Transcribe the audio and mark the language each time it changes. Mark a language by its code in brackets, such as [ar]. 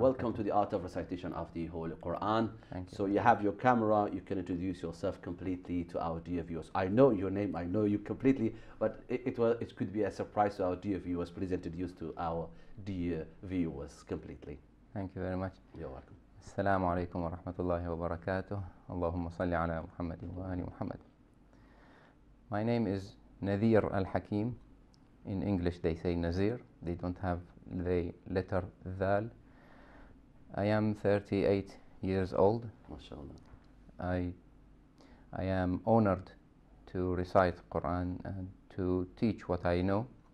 [en] Welcome to the Art of Recitation of the Holy Quran. Thank you. So you have your camera, you can introduce yourself completely to our dear viewers. I know your name, I know you completely, but it could be a surprise to our dear viewers. Please introduce to our dear viewers completely. Thank you very much. You're welcome. [ar] السلام عليكم ورحمة الله وبركاته اللهم صل على محمد وآل محمد. [en] My name is Nazir al-Hakim. In English they say Nazir. They don't have the letter Dhal. I am 38 years old. I am honored to recite Quran and to teach what I know.